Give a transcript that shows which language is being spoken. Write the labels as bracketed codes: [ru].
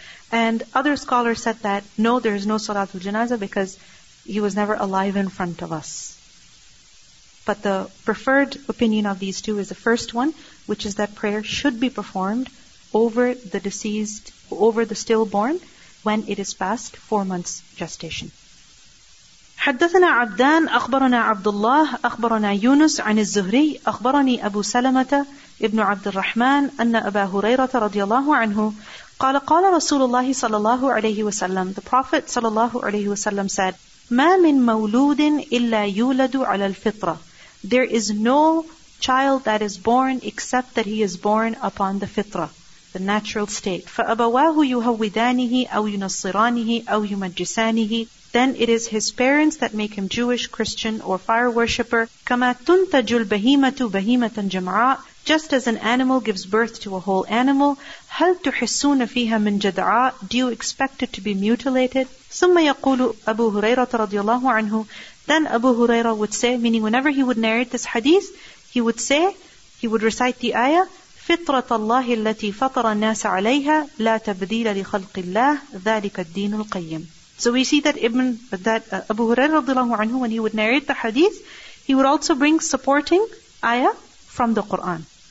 [en] And other scholars said that, no, there is no salatul janazah because he was never alive in front of us. But the preferred opinion of these two is the first one, which is that prayer should be performed over the deceased, over the stillborn, when it is past 4 months gestation. [ar] حدثنا عبدان أخبرنا عبد الله أخبرنا يونس عن الزهري أخبرني أبو سلمة ابن عبد الرحمن أن أبا هريرة رضي الله عنه قال قال رسول الله صلى الله عليه وسلم [en] The Prophet صلى الله عليه وسلم said [ar] ما من مولود إلا يولد على الفطرة [en] There is no child that is born except that he is born upon the فطرة The natural state [ar] فأبواه يهودانه أو ينصرانه أو يمجسانه [en] Then it is his parents that make him Jewish, Christian, or fire worshipper. [ar] كَمَا تُنْتَجُ الْبَهِيمَةُ بَهِيمَةً جَمْعَاءً [en] Just as an animal gives birth to a whole animal. [ar] هَلْ تُحِسُّونَ فِيهَا مِنْ جَدْعَاءً [en] Do you expect it to be mutilated? [ar] ثُمَّ يَقُولُ أَبُو هُرَيْرَةَ رَضِيَ اللَّهُ عَنْهُ [en] Then Abu Huraira would say, meaning whenever he would narrate this hadith, he would say, he would recite the ayah, [ar] فِطْرَةَ اللَّهِ الَّتِي فَطَرَ النَّاسَ عَلَيْهَا لَا تَبْدِيلَ لِخَلْقِ اللَّهِ ذَلِكَ الدِّينُ الْقَيِّمُ [en] So we see that Abu Hurairah radhiyallahu anhu, when he would narrate the hadith, he would also bring supporting ayah from the Quran.